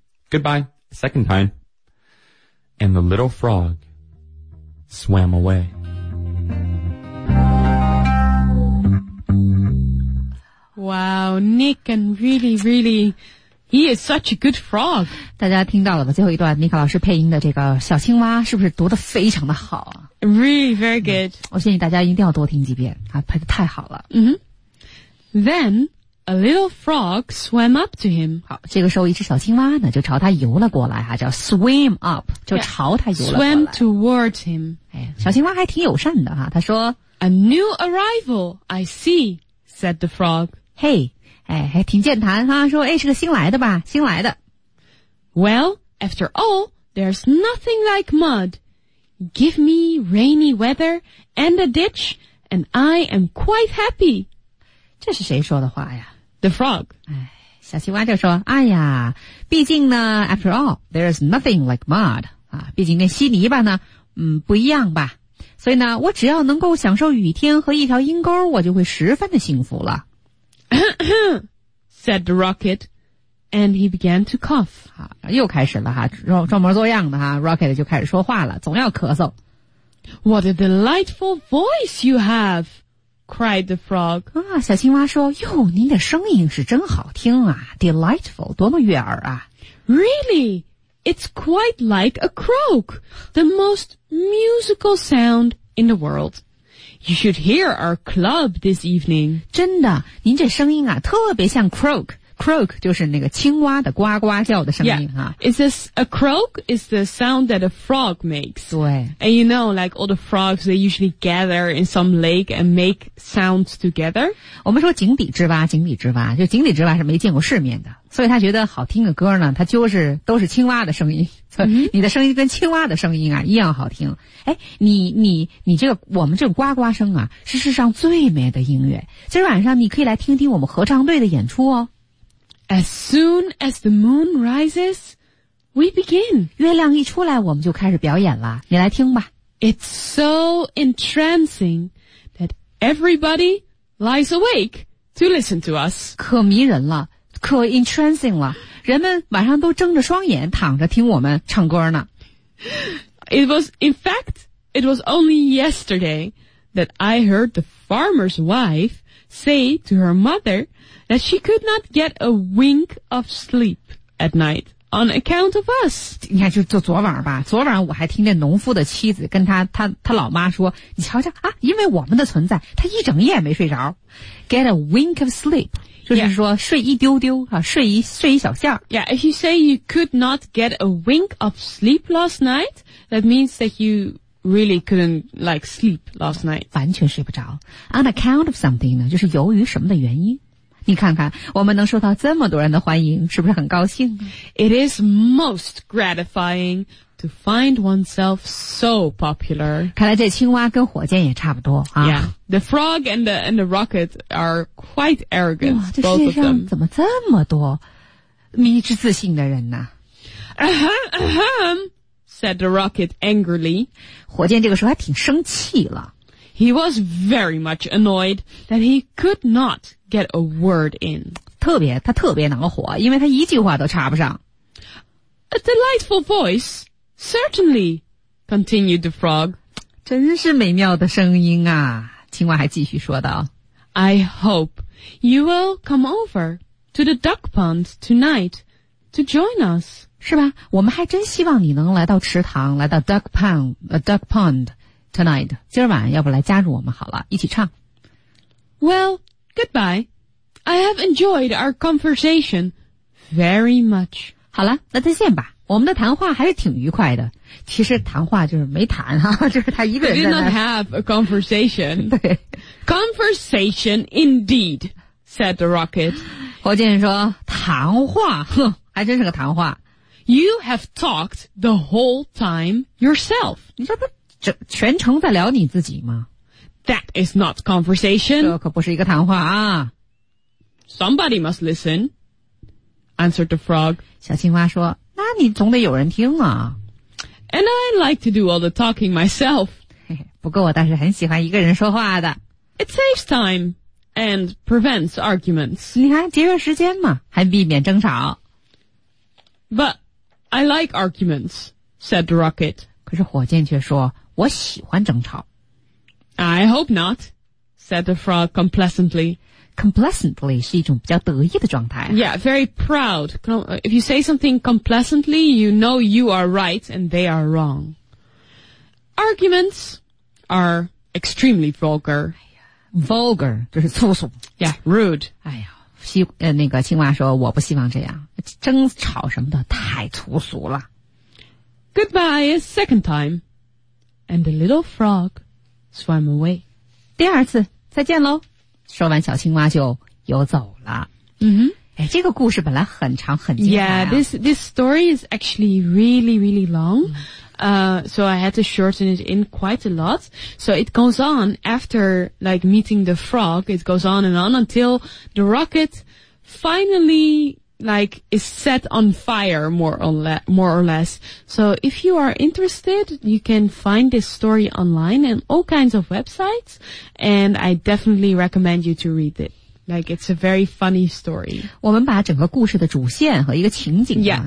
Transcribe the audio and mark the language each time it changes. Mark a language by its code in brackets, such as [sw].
[en] Goodbye, second time. And the little frog swam away. Wow, Nick and really, really, he is such a good frog. [zh] 大家听到了吗？最后一段 Nick 老师配音的这个小青蛙是不是读得非常的好啊？ [en] Really, very good. [zh] 我建议大家一定要多听几遍啊，配得太好了。 Mm-hmm. [en] Then, a little frog swam up to him. [zh] 好，这个时候一只小青蛙呢就朝他游了过来啊，叫 [en] swim up, [zh] 就朝他游了过来。 [en] Yeah, swam towards him. [zh] 哎，小青蛙还挺友善的啊，他说 [en] A new arrival, I see, said the frog. [zh] Hey, 哎，还挺健谈哈，说哎，是个新来的吧，新来的。 [en] Well, after all, there's nothing like mud. Give me rainy weather and a ditch, and I am quite happy. [zh] 这是谁说的话呀 [en] ？The frog. [zh] 哎，小青蛙就说，哎呀，毕竟呢 ， [en] after all, there's nothing like mud. [zh] 啊，毕竟那稀泥巴呢，不一样吧。所以呢，我只要能够享受雨天和一条阴沟，我就会十分的幸福了。 [en] said the rocket, and he began to cough. [zh] 好，又开始了哈，装模作样的哈 ，rocket 就开始说话了，总要咳嗽。 [en] What a delightful voice you have! Cried the frog. [zh] 啊，小青蛙说，哟，您的声音是真好听啊 ，delightful， 多么悦耳啊 [en] ！Really, it's quite like a croak, the most musical sound in the world. You should hear our club this evening. [zh] 真的，您这声音啊，特别像 croak. Croak 就是那个青蛙的呱呱叫的声音啊。 [en] Yeah. Is this a croak? Is the sound that a frog makes? [zh] 对。 [en] And you know, like all the frogs, they usually gather in some lake and make sounds together. [zh] 我们说井底之蛙，井底之蛙，就井底之蛙是没见过世面的，所以他觉得好听的歌呢，他就是都是青蛙的声音。所以你的声音跟青蛙的声音啊一样好听。哎，你这个我们这个呱呱声啊是世上最美的音乐。今晚上你可以来听听我们合唱队的演出哦。 [en] As soon as the moon rises, we begin. [zh] 月亮一出来我们就开始表演了。你来听吧。 [en] It's so entrancing that everybody lies awake to listen to us. [zh] 可迷人了。可 entrancing 了，人们晚上都睁着双眼躺着听我们唱歌呢。 [en] It was, in fact, it was only yesterday that I heard the farmer's wife say to her mother that she could not get a wink of sleep at night on account of us. [zh] 你看，就昨晚吧，昨晚我还听见农夫的妻子跟他老妈说，你瞧瞧啊，因为我们的存在，他一整夜没睡着。 [en] Get a wink of sleep. Yeah. [zh] 就是说睡一丢丢啊，睡一小下。 [en] Yeah, if you say you could not get a wink of sleep last night, that means that you really couldn't like sleep last night. [zh] 完全睡不着。 [en] On account of something [zh] 呢，就是由于什么的原因。你看看，我们能受到这么多人的欢迎，是不是很高兴 [en] ？It is most gratifying to find oneself so popular. [zh] 看来这青蛙跟火箭也差不多啊。 [en] Yeah, the frog and the rocket are quite arrogant. [zh] 哇，这世界上怎么这么多迷之自信的人呢 [en] ？Ahem, said the rocket angrily. [zh] 火箭这个时候还挺生气了。 [en] He was very much annoyed that he could not get a word in. [zh] 他特别恼火，因为他一句话都插不上。 [en] A delightful voice, certainly, continued the frog. [zh] 真是美妙的声音啊。青蛙还继续说道。 [en] I hope you will come over to the duck pond tonight to join us. [zh] 是吧？我们还真希望你能来到池塘，来到 [en] duck pond tonight. [zh] 今晚要不来加入我们好了，一起唱。 [en] Well, goodbye. I have enjoyed our conversation very much. [zh] 好了，那再见吧。我们的谈话还是挺愉快的。其实谈话就是没谈啊，就是他一个人在那。 [en] We did not have a conversation. [zh] 对。 [en] Conversation indeed, said the rocket. [zh] 火箭说，谈话，哼，还真是个谈话。 [en] You have talked the whole time yourself. [zh] 你这不全程在聊你自己吗？ [en] That is not conversation. [zh] 这可不是一个谈话啊。 [en] Somebody must listen, answered the frog. [zh] 小青蛙说，那你总得有人听啊。 [en] And I like to do all the talking myself. [zh] 不过我倒是很喜欢一个人说话的。 [en] It saves time and prevents arguments. [zh] 你看，节约时间嘛，还避免争吵。 [en] But I like arguments, said the rocket. [zh] 可是火箭却说，我喜欢争吵。 [en] I hope not, said the frog complacently. [zh] Complacently 是一种比较得意的状态。 [en] Yeah, very proud. If you say something complacently, you know you are right and they are wrong. Arguments are extremely vulgar. [zh] Vulgar 就是粗俗。 [en] Yeah, rude. [zh] 哎呀，那个青蛙说，我不希望这样，争吵什么的太粗俗了。 [en] Goodbye a second time. And the little frog swam away. [zh] 第二次，再见咯。说完小青蛙就游走了。嗯、哎，这个故事本来很长很精彩、啊。 [en] Yeah, this story is actually really, really long.、So I had to shorten it in quite a lot. So it goes on after like meeting the frog, it goes on and on until the rocket finally like is set on fire more or less. So if you are interested, you can find this story online and all kinds of websites, and I definitely recommend you to read it. Like, it's a very funny story. [zh] 我们把整个故事的主线和一个情景、啊、